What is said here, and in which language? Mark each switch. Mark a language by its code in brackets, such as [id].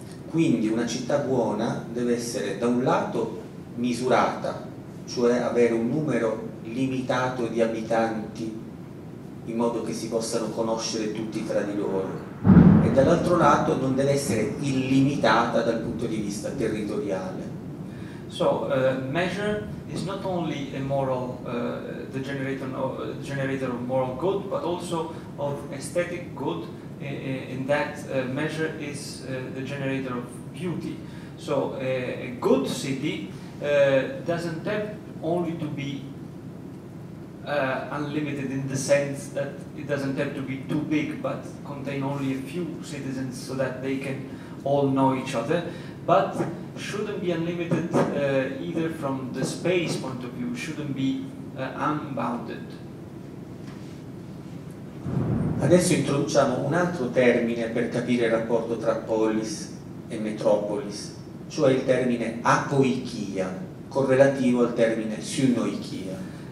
[it] Quindi una città buona deve essere da un lato misurata, cioè avere un numero limitato di abitanti in modo che si possano conoscere tutti tra di loro, e dall'altro lato non deve essere illimitata dal punto di vista territoriale. [en] So measure is not only a moral the generator of moral good, but also of aesthetic good, in that measure is the generator of beauty. So a good city doesn't have only to be unlimited in the sense that it doesn't have to be too big, but contain only a few citizens so that they can all know each other, but shouldn't be unlimited either from the space point of view, shouldn't be unbounded. [it] Adesso introduciamo un altro termine per capire il rapporto tra polis e metropolis, cioè il termine apoikia, correlativo al termine synoikia.